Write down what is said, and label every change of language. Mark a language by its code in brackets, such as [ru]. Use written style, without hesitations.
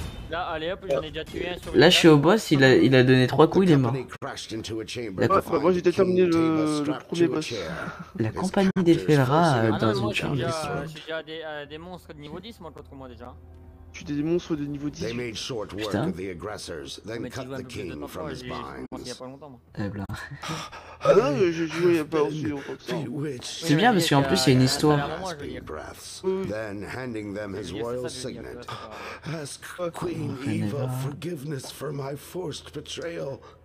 [fr] Là, allez hop, j'en ai déjà tué un sur le. Là, je suis au boss, il a donné 3 coups, il est mort. D'accord. Moi, j'ai terminé le premier boss. La compagnie des Felra dans une charge. J'ai déjà des monstres de niveau 10, moi, contre moi déjà. tu des monstres de niveau 10. Putain. Mais tu vois, [en] the aggressors then cut the king from his binds. [fr] Eh ben. Ah non, j'ai joué il y a pas aussi en fait. C'est bien parce qu'en plus il y a une histoire. [en] Then handing them his royal signet. Ask Queen Eva forgiveness for my forced betrayal.